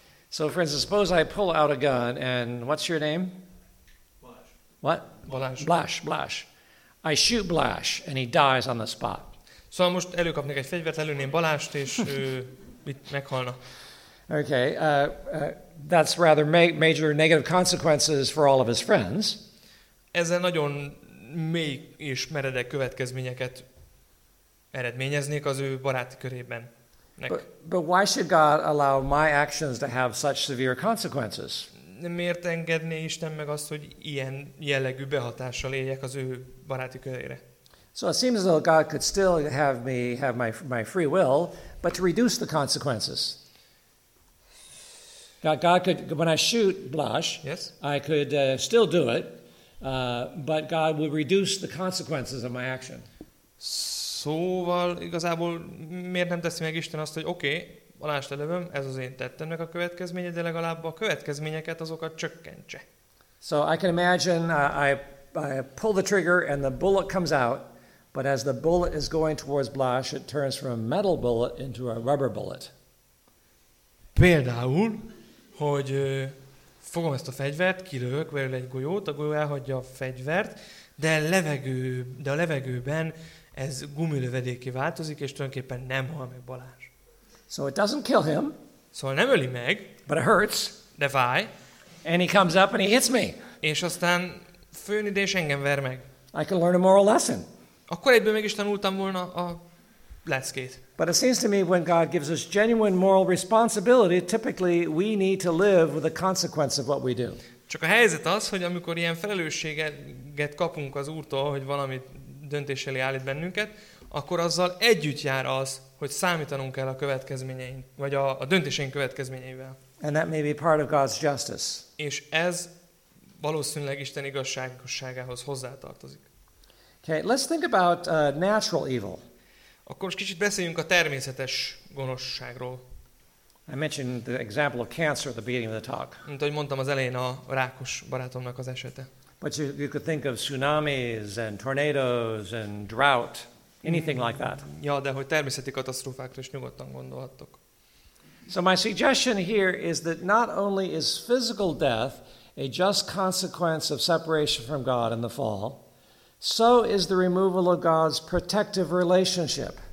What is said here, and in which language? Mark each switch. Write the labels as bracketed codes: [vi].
[en] So for instance, suppose I pull out a gun and what's your name? Blash. What? Balázs. Blash. I shoot Blash and he dies on the spot. [hu] Szóval most előkapnék egy fegyvert, lelőném Balást és itt meghalna. [en] Okay, that's rather major negative consequences for all of his friends. [hu] Ezzel nagyon mély és meredek következményeket eredményeznék az ő baráti körében. [en] But why should God allow my actions to have such severe consequences? [hu] Miért engedné Isten meg azt, hogy ilyen jellegű behatással éljek az ő baráti körére? [en] So it seems as though God could still have my free will, but to reduce the consequences. God could, when I shoot Blush, yes, I could still do it, but God would reduce the consequences of my action. [hu] Szóval igazából miért nem teszi meg Isten azt, hogy oké, Balázs lelövöm, ez az én tettemnek a következménye, de legalább a következményeket azokat csökkentse. [en] So I can imagine I pull the trigger and the bullet comes out, But as the bullet is going towards Blash, it turns from a metal bullet into a rubber bullet. [hu] Például, hogy fogom ezt a fegyvert, kilövök belőle egy golyót, a golyó elhagyja a fegyvert, de a levegőben ez gumilövedéké változik, és tulajdonképpen nem hal meg Balázs. [en] So it doesn't kill him. [hu] Szóval nem öli meg. [en] But it hurts. [hu] De fáj. [en] And he comes up and he hits me. [hu] És aztán főn ide, és engem ver meg. [en] I can learn a moral lesson. [hu] Akkor egyből meg is tanultam volna a leckét. [en] But it seems to me when God gives us genuine moral responsibility, typically we need to live with the consequence of what we do. [hu] Csak a helyzet az, hogy amikor ilyen felelősséget kapunk az Úrtól, hogy valamit döntés elé állít bennünket, akkor azzal együtt jár az, hogy számítanunk kell a következményeink, vagy a döntéseink következményeivel. [en] And that may be part of God's justice. [hu] És ez valószínűleg Isten igazságosságához hozzátartozik. [en] Okay, let's think about natural evil. [hu] Akkor most kicsit beszéljünk a természetes gonoszságról. [en] I mentioned the example of cancer at the beginning of the talk. [hu] Mint ahogy mondtam az elején a rákos barátomnak az esete. [en] But you could think of tsunamis and tornadoes and drought, anything like that. [hu] Ja, de hogy természeti katasztrófákra is nyugodtan gondolhattok. [en] So my suggestion here is that not only is physical death a just consequence of separation from God in the fall, so is the removal of God's protective relationship.